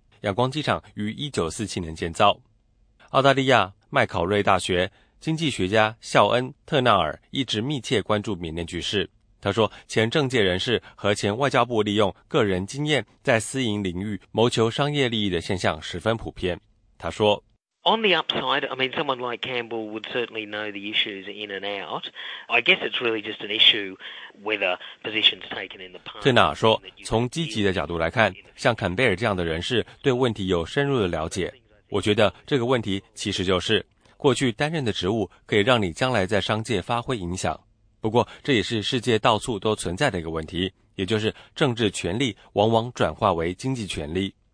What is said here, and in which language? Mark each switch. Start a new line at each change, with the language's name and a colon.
Chinese: 仰光机场于1947年建造。澳大利亚麦考瑞大学经济学家肖恩·特纳尔一直密切关注缅甸局势。他说，前政界人士和前外交部利用个人经验在私营领域谋求商业利益的现象十分普遍。他说，
English: On the upside, I mean, someone like Campbell would certainly know the issues in and out. I guess it's really just an issue whether positions taken in the past.
Chinese: 特纳说，从积极的角度来看，像坎贝尔这样的人士对问题有深入的了解。我觉得这个问题其实就是，过去担任的职务可以让你将来在商界发挥影响。不过，这也是世界到处都存在的一个问题，也就是政治权力往往转化为经济权力。